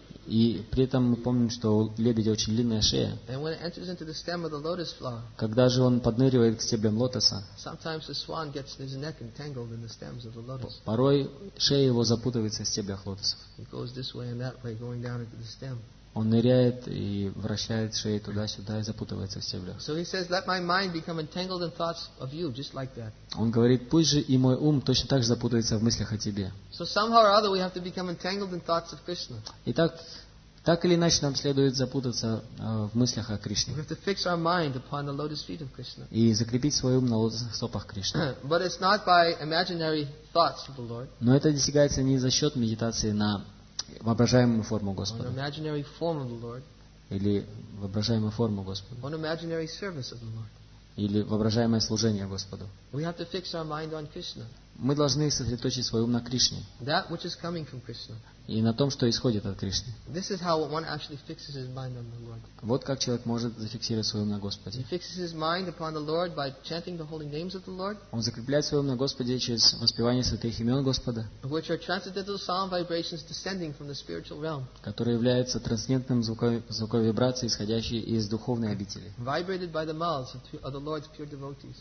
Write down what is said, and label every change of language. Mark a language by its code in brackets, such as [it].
[ru] И при этом мы помним, что у лебедя очень длинная шея. [en] And when it enters into the stem of the lotus flower, [ru] когда же он подныривает к стеблям лотоса, [en] sometimes the swan gets his neck entangled in the stems of the lotus. [ru] Порой шея его запутывается в стеблях лотосов. [en] It goes this way and that way, going down into the stem. [ru] Он ныряет и вращает шею туда-сюда и запутывается в стеблях. [en] So he says, let my mind become entangled in thoughts of you, just like that. [ru] Он говорит, пусть же и мой ум точно так же запутается в мыслях о тебе. [en] So somehow or other we have to become entangled in thoughts of Krishna. [ru] Итак, так или иначе нам следует запутаться в мыслях о Кришне. [en] We have to fix our mind upon the lotus feet of Krishna. [ru] И закрепить свой ум на лотосных стопах Кришны. [en] But it's not by imaginary thoughts of the Lord. [ru] Но это достигается не за счет медитации на воображаемую форму Господа. [en] An imaginary form of the Lord. [ru] Или воображаемую форму Господа. [en] An imaginary service of the Lord. [ru] или воображаемое служение Господу. [en] We have to fix our mind on Krishna. [ru] Мы должны сосредоточить свой ум на Кришне. [en] That which is coming from Krishna. [ru] И на том, что исходит от Кришны. [en] This is how one actually fixes his mind on the Lord. [ru] Вот как человек может зафиксировать свой ум на Господе. [en] He fixes his mind upon the Lord by chanting the holy names of the Lord. [ru] Он закрепляет свой ум на Господе через воспевание святых имен Господа. [en] Which are transcendental sound vibrations descending from the spiritual realm. [ru] Которые являются трансцендентным звуковой вибрацией, исходящей из духовной обители. [en] Vibrated by the mouths of the Lord's pure devotees.